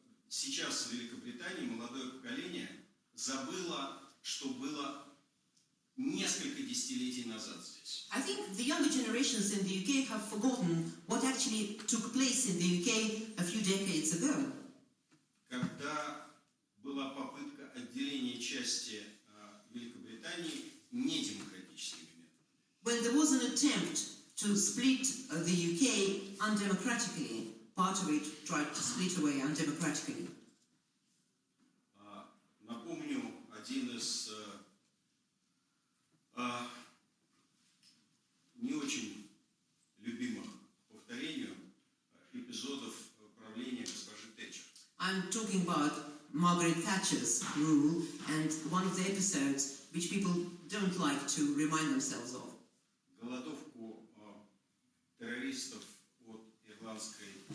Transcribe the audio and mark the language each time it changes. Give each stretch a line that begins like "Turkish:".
Russian: Сейчас в Великобритании молодое поколение забыло, что было несколько десятилетий назад здесь.
English: I think the younger generations in the UK have forgotten what actually took place in the UK a few decades ago.
Russian: Когда была попытка отделения части Великобритании недемократическими методами.
English: When there was an attempt to split the UK undemocratically. Part of it tried to split away undemocratically.
Russian: Напомню, один из не очень любимых повторений эпизодов правления госпожи Тэтчер.
English: I'm talking about Margaret Thatcher's rule and one of the episodes which people don't like to remind themselves of.
Russian: Голодовку террористов от ирландской